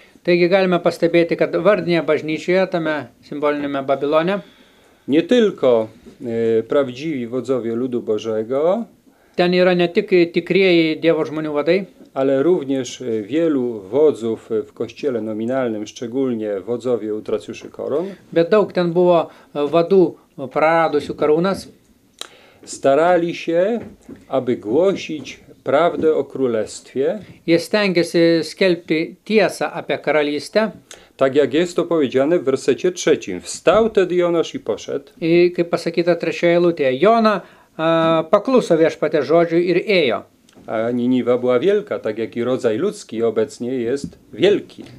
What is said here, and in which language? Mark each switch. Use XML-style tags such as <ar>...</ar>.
<lt>Taigi galime pastebėti, kad vardinėje bažnyčioje, tame simbolinėme Babilone,</lt> <pl>nie tylko prawdziwi wodzowie ludu Bożego,</pl> <lt>ten yra ne tik tikrieji Dievo žmonių vadai,</lt> <pl>ale również wielu wodzów w kościele nominalnym, szczególnie wodzowie utraciuszy koron,</pl> <lt>bet daug ten buvo vadų praradusių karūnas,</lt> <pl>starali się, aby głosić prawdę o królestwie.</pl> <lt>Jest stengiasi skelbti tiesą apie karalystę.</lt> <pl>Tak jak jest to powiedziane w wersecie 3. Wstał tedy Jonasz i poszedł.</pl> <lt>I kaip pasakyta trečioje eilutėje, Jona pakluso viešpatės žodžiui ir ėjo.</lt> <pl>A Niniwa była wielka, tak jak i rodzaj ludzki obecnie jest wielki.</pl>